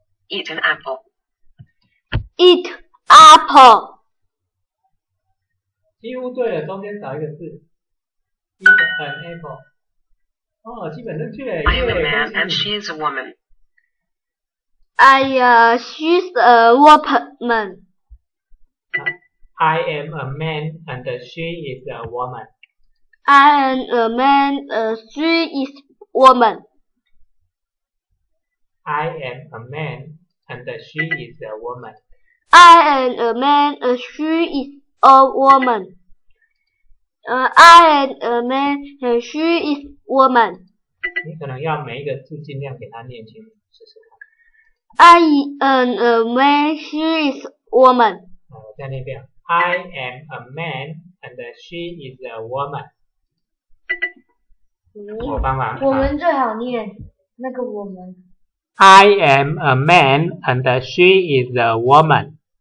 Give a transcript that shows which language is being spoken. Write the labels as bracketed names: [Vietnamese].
[English] Eat an apple. Eat apple. [Chinese] 几乎对了，中间少一个字。 [English] Eat an apple. [Chinese] 哦，基本正确。 [English] I am a man and she's a woman. She's a woman. I am a man and she is a woman. I am a man and she is a woman. I am a man. And she is a woman. I am a man, and she is a woman. I am a man, and she is a woman. [Chinese] 你可能要每一个字尽量给他念清楚，试试看。 [English] I am a man, she is a woman. [Chinese] 好，再念一遍。 [English] I am a man, and she is a woman. [Chinese] 我帮忙。我们最好念那个我们。 [English] I am a man and she is a woman.